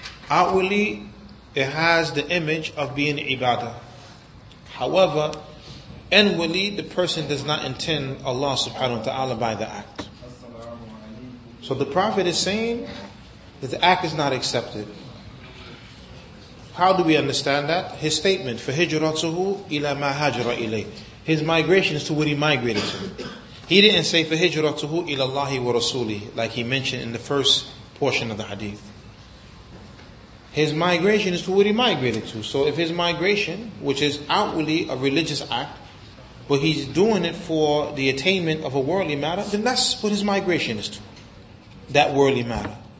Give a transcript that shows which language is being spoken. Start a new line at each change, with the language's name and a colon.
English: Outwardly, it has the image of being ibadah. However, inwardly, the person does not intend Allah subhanahu wa ta'ala by the act. So the Prophet is saying that the act is not accepted. How do we understand that?
Arabic: His statement, فَهِجْرَتُهُ إِلَى مَا هَجْرَ إِلَيْهِ.
English: His migration is to what he migrated to. He didn't say,
Arabic: فَهِجْرَتُهُ إِلَى اللَّهِ وَرَسُولِهِ,
English: like he mentioned in the first portion of the hadith. His migration is to what he migrated to. So if his migration, which is outwardly a religious act, but he's doing it for the attainment of a worldly matter, then that's what his migration is to. That worldly matter.